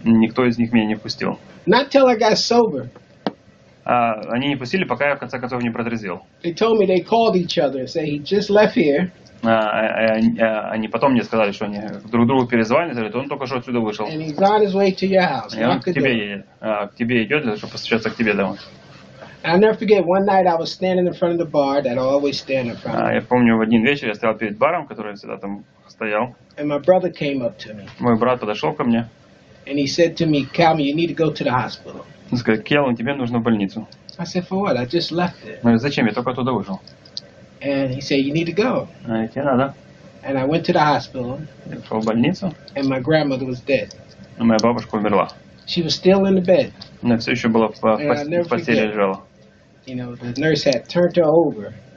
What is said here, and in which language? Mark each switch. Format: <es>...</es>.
<ru>Никто из них меня не пустил.</ru> <en>Not till I got sober.</en> <ru>Они не пустили, пока я в конце концов не протрезвел.</ru> <en>They told me they called each other and said he just left here.</en> <ru>Они потом мне сказали, что они друг другу перезвонили, говорят, он только что отсюда вышел.</ru> <en>And he's on his way to your house.</en> <ru>К тебе идет, чтобы постучаться к тебе домой.</ru> <en>And I'll never forget one night I was standing in front of the bar that I always stand in front of.</en> <ru>Я помню, в один вечер я стоял перед баром, который я всегда там стоял.</ru> <en>And my brother came up to me.</en> <ru>Мой брат подошел ко мне.</ru> <en>And he said to me, Calvin, you need to go to the hospital.</en> <ru>Он сказал, Келлен, тебе нужно в больницу.</ru> <en>I said, for what? I just left it.</en> <ru>Ну, зачем? Я только оттуда вышел.</ru> <en>And he said, you need to go.</en> <ru>Тебе надо.</ru> <en>And I went to the hospital.</en> <ru>Я пошел в больницу.</ru> <en>And my grandmother was dead.</en> <ru>А моя бабушка умерла.</ru> <en>She was still in the bed.</en> <ru>Она все еще была в постели, лежала.</ru> <en>You know, the nurse had turned her over.</en>